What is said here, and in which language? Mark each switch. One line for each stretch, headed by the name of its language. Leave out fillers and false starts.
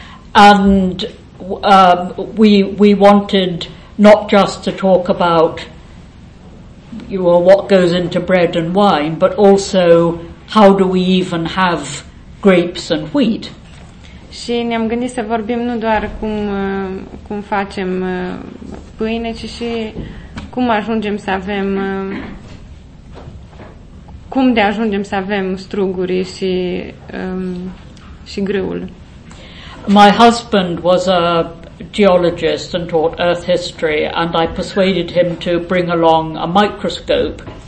English: And we wanted not just to talk about what goes into bread and wine, but also how do we even have grapes and wheat.
Romanian: Și ne-am gândit să vorbim nu doar cum facem pâine, ci și cum ajungem să avem cum de ajungem să avem strugurii și și grâul.
English: My husband was a geologist and taught earth history and I persuaded him to bring along a microscope.